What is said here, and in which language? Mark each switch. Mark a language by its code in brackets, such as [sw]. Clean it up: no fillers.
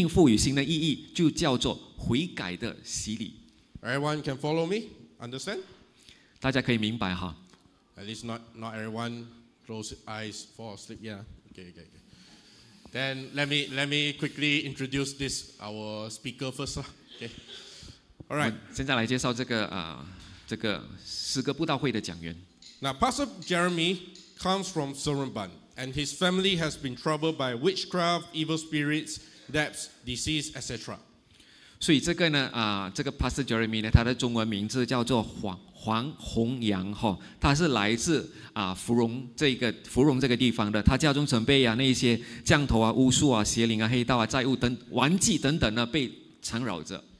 [zh] 他就采用了那个为人所熟悉的那种当时的以色列人的习俗，并赋予新的意义，就叫做悔改的洗礼。 [en] Everyone can follow me? Understand? [zh] 大家可以明白哈。 [en] At least not everyone close eyes fall asleep. Yeah. Okay. Then let me quickly introduce this our speaker first. Okay. All right. [zh] 现在来介绍这个诗歌布道会的讲员。 [en] Now Pastor Jeremy comes from Seremban, and his family has been troubled by witchcraft, evil spirits, debts, disease, etc. [zh] 所以这个呢，这个 Pastor Jeremy 呢，他的中文名字叫做黄宏阳，他是来自芙蓉这个地方的，他家中曾被那一些降头巫术邪灵黑道债务等顽疾等等被缠绕着。